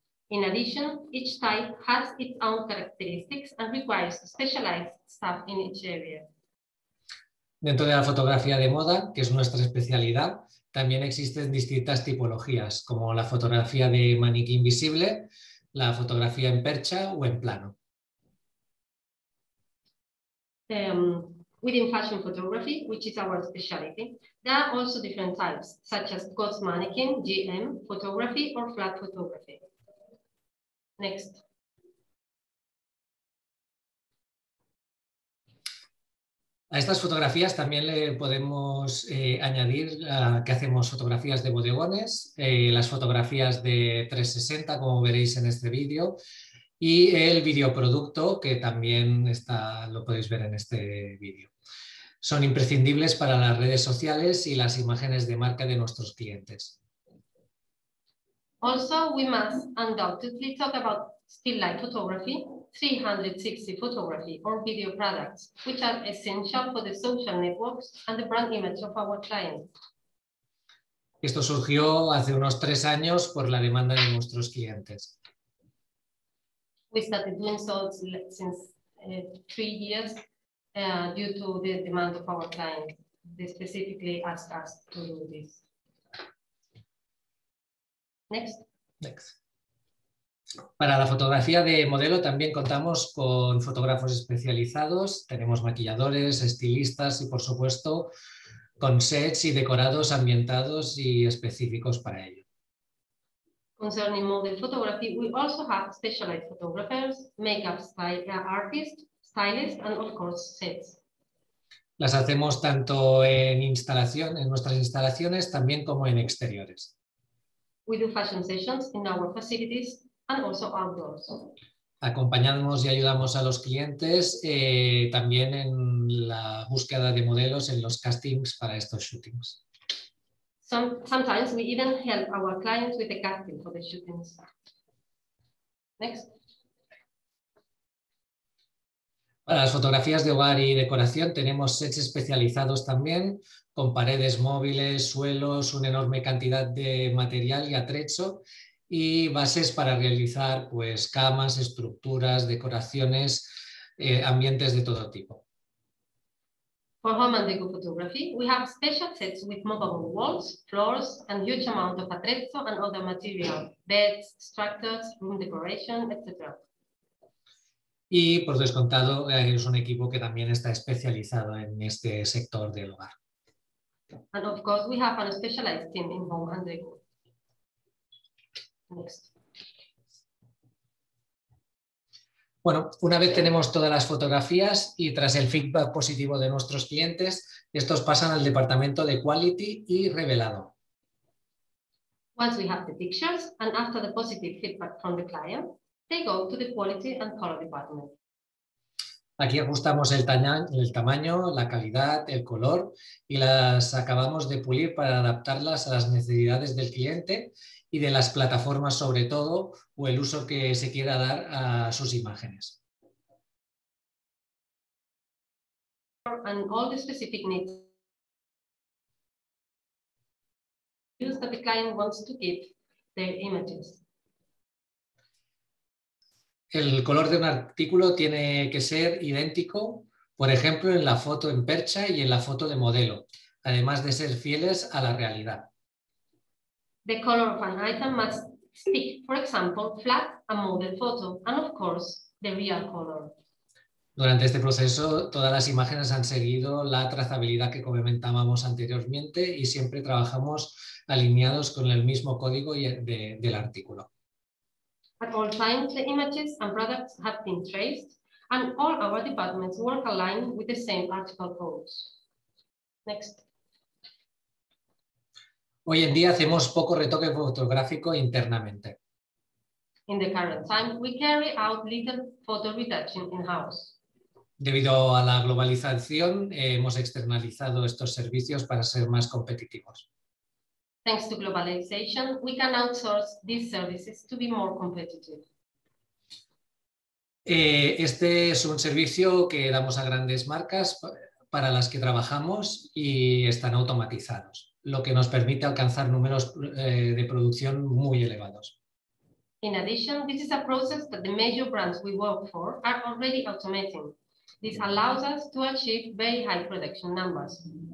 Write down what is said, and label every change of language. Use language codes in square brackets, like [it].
[en] In addition, each type has its own characteristics and requires specialized staff in each area. [es] Dentro de la fotografía de moda, que es nuestra especialidad, también existen distintas tipologías, como la fotografía de maniquí invisible, la fotografía en percha o en plano. [en] Within fashion photography, which is our specialty, there are also different types, such as ghost mannequin, GM, photography or flat photography. Next. [es] A estas fotografías también le podemos añadir que hacemos fotografías de bodegones, las fotografías de 360, como veréis en este vídeo, y el videoproducto, que también está, lo podéis ver en este vídeo. Son imprescindibles para las redes sociales y las imágenes de marca de nuestros clientes. [en] Also, we must undoubtedly talk about still light photography, 360 photography or video products, which are essential for the social networks and the brand image of our clients. [es] Esto surgió hace unos 3 años por la demanda de nuestros clientes. [en] We started doing so since 3 years due to the demand of our clients. They specifically asked us to do this. Next. Next. [es] Para la fotografía de modelo también contamos con fotógrafos especializados, tenemos maquilladores, estilistas y, por supuesto, con sets y decorados ambientados y específicos para ello. [en] Concerning model photography, we also have specialized photographers, makeup artists, stylists and, of course, sets. [es] Las hacemos tanto en instalación, en nuestras instalaciones, también como en exteriores. [en] We do fashion sessions in our facilities. And also outdoors. [es] Acompañamos y ayudamos a los clientes también en la búsqueda de modelos en los castings para estos shootings. [en] Sometimes we even help our clients with the casting for the shootings. Next. [es] Para las fotografías de hogar y decoración tenemos sets especializados también, con paredes móviles, suelos, una enorme cantidad de material y atrecho, y bases para realizar pues camas, estructuras, decoraciones, ambientes de todo tipo. [en] For home and deco photography, we have special sets with movable walls, floors, and huge amount of atrezzo and other material, beds, structures, room decoration, etc. [es] Y por descontado, es un equipo que también está especializado en este sector del hogar. [en] And of course, we have a specialized team in home and deco. Next. [es] Bueno, una vez tenemos todas las fotografías y tras el feedback positivo de nuestros clientes, estos pasan al departamento de quality y revelado. [en] Once we have the pictures and after the positive feedback from the client, they go to the quality and color department. [es] Aquí ajustamos el tamaño, la calidad, el color y las acabamos de pulir para adaptarlas a las necesidades del cliente y de las plataformas sobre todo, o el uso que se quiera dar a sus imágenes. [en] And all the specific needs that the client wants to keep their images. [es] El color de un artículo tiene que ser idéntico, por ejemplo, en la foto en percha y en la foto de modelo, además de ser fieles a la realidad. [en] The color of an item must stick, for example, flat and model photo, and of course, the real color. [es] Durante este proceso, todas las imágenes han seguido la trazabilidad que comentábamos anteriormente y siempre trabajamos alineados con el mismo código del artículo. [en] At all times, the images and products have been traced, and all our departments work aligned with the same article codes. Next. [es] Hoy en día hacemos poco retoque fotográfico internamente. [en] In the current time, we carry out little photo retouching in-house. [es] Debido a la globalización, hemos externalizado estos servicios para ser más competitivos. [en] Thanks to globalization, we can outsource these services to be more competitive. [es] Este es un servicio que damos a grandes marcas para las que trabajamos y están automatizados, lo que nos permite alcanzar números de producción muy elevados. [en] In addition, this is a process that the major brands we work for are already automating. This allows us to achieve very high production numbers.